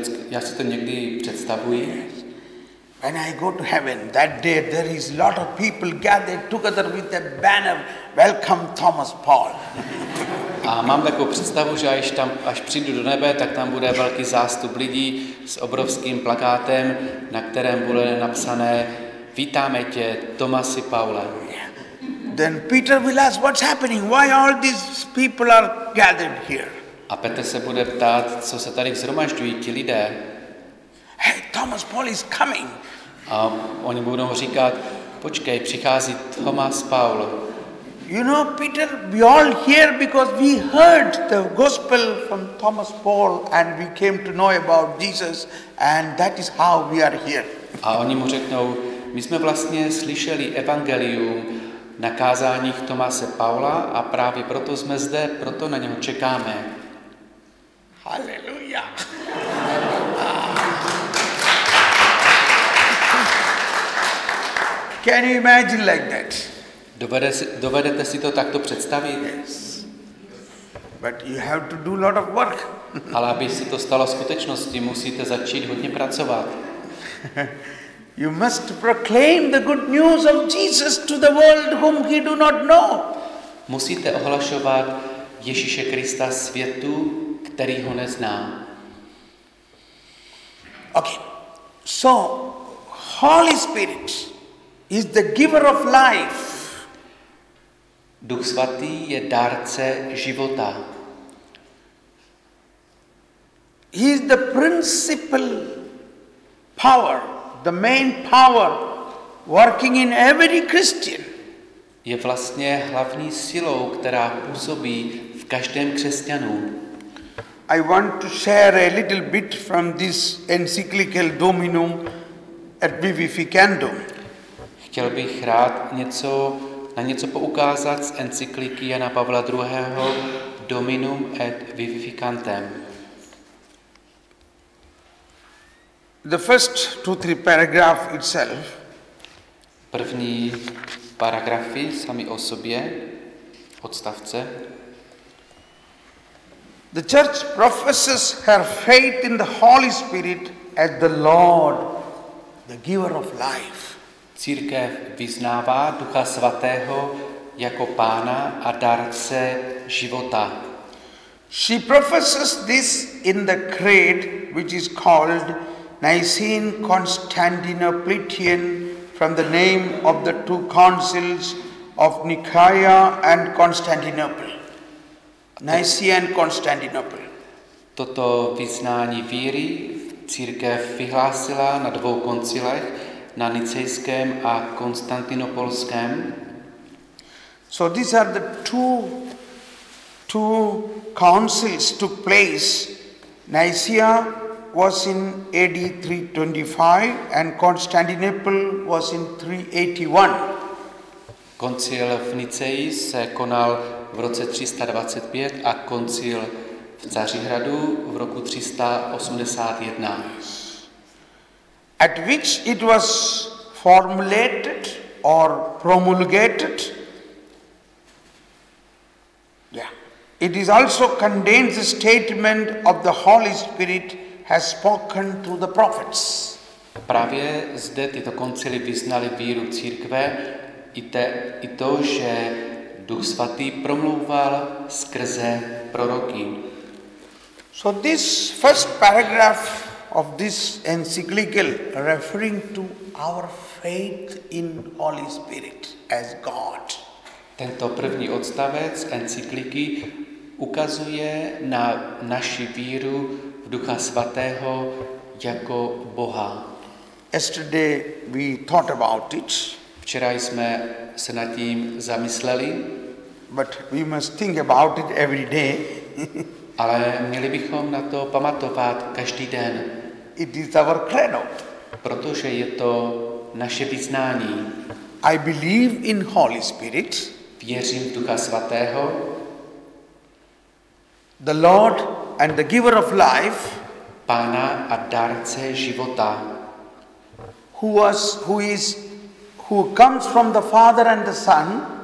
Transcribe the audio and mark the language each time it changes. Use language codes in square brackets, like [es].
[cs] Já si to někdy představuji. [en] Yes. When I go to heaven, that day there is a lot of people gathered together with a banner, welcome Thomas Paul. [cs] A mám takovou představu, že až přijdu do nebe, tak tam bude velký zástup lidí s obrovským plakátem, na kterém bude napsané vítáme tě, Tomasi Paule. [en] Then Peter will ask, what's happening? Why all these people are gathered here? [cs] A Petr se bude ptát, co se tady zhromažďují ti lidé. [en] Hey, Thomas Paul is coming. [cs] A oni budou říkat, počkej, přichází Thomas Paul. [en] You know, Peter, we all here because we heard the gospel from Thomas Paul and we came to know about Jesus and that is how we are here. [cs] A oni mu řeknou, my jsme vlastně slyšeli evangelium na kázáních Tomase Paula a právě proto jsme zde, proto na něho čekáme. Haleluja. [en] Can you imagine like that? [cs] Dovedete si to takto představit? [en] Yes. But you have to do lot of work. [cs] Ale aby se to stalo skutečností, musíte začít hodně pracovat. [en] You must proclaim the good news of Jesus to the world whom he do not know. [cs] Musíte ohlašovat Ježíše Krista světu, který ho nezná. [en] Okay. So Holy Spirit is the giver of life. [cs] Duch svatý je dárce života. [en] He is the principal power, the main power working in every Christian. [cs] Je vlastně hlavní silou, která působí v každém křesťanu. [en] I want to share a little bit from this encyclical Dominum et Vivificandum. [cs] Chtěl bych rád na něco poukázat z encykliky Jana Pavla II. [la] Dominum et Vivificantem. [en] The first 2-3 paragraph itself. [cs] První paragrafy sami o sobě, odstavce. [en] The church professes her faith in the Holy Spirit as the Lord, the giver of life. [cs] Církev vyznává Ducha Svatého jako Pána a dárce života. [en] She professes this in the creed which is called Nicene Constantinopolitan from the name of the two councils of Nicaea and Constantinople. Nicaea and Constantinople. [cs] Toto vyznání víry církev vyhlásila na dvou koncilech, na Nicejském a Konstantinopolském. [en] So these are the two councils took place. Nicaea was in AD 325 and Constantinople was in 381. [cs] Koncil v Niceji se konal v roce 325 a koncil v Cařihradu v roku 381. [en] At which it was formulated or promulgated. Yeah. It is also contains the statement of the Holy Spirit has spoken through the prophets. [cs] Právě zde tyto koncily vyznaly víru církve i to, že Duch svatý promlouval skrze proroky. [en] So this first paragraph of this encyclical referring to our faith in Holy Spirit as God. [cs] Tento první odstavec encykliky ukazuje na naši víru v Ducha svatého jako Boha. [en] Yesterday we thought about it. [cs] Včera jsme se nad tím zamysleli. [en] But we must think about it every day. [cs] Ale měli bychom na to pamatovat každý den. [en] It is our credo. [cs] Protože je to naše vyznání. [en] I believe in Holy Spirit. [cs] Věřím v Ducha Svatého. [en] The Lord and the giver of life. [cs] Pána a dárce života. [en] Who comes from the Father and the Son.